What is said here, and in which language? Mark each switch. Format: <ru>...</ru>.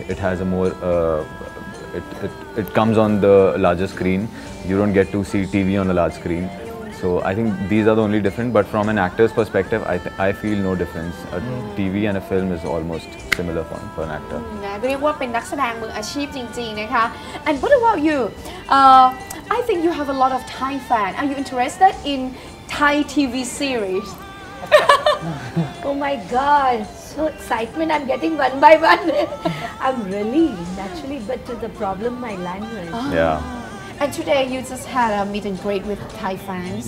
<en>It has a more it comes on the larger screen. You don't get to see TV on a large screen. So I think these are the only different, but from an actor's perspective, I feel no difference. A TV and a film is almost similar for an actor.</en> <th>เรียกว่าเป็นนักแสดงมืออาชีพจริงๆนะคะ</th> <en>And what about you? I think you have a lot of Thai fan. Are you interested in Thai TV series? Oh my god, so excitement I'm getting one by one. I'm really naturally, but to the problem my language. Yeah. And today you just had a meet and greet with Thai fans.</en>